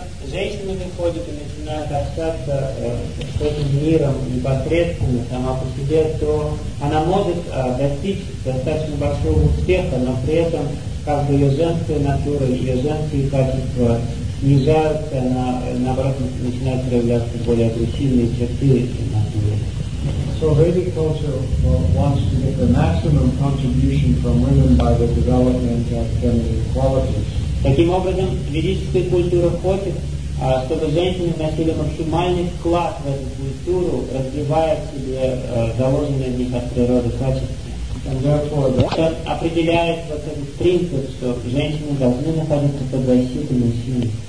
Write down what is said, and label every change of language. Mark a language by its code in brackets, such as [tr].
[ru] Женщины выходят и начинают общаться с этим миром непосредственно сама по себе, то она может достичь достаточно большого успеха, но при этом как бы ее женская натура, ее женские качества снижаются, она наоборот начинает проявляться более агрессивные черты натуры. [en] So Vedic culture wants to get the maximum contribution from women by the development of feminine qualities. [ru] Таким образом, ведическая культура хочет, чтобы женщины вносили максимальный вклад в эту культуру, развивая в себе заложенные в них от природы качества. Сейчас определяет вот этот принцип, что женщины должны находиться под защитой мужчины.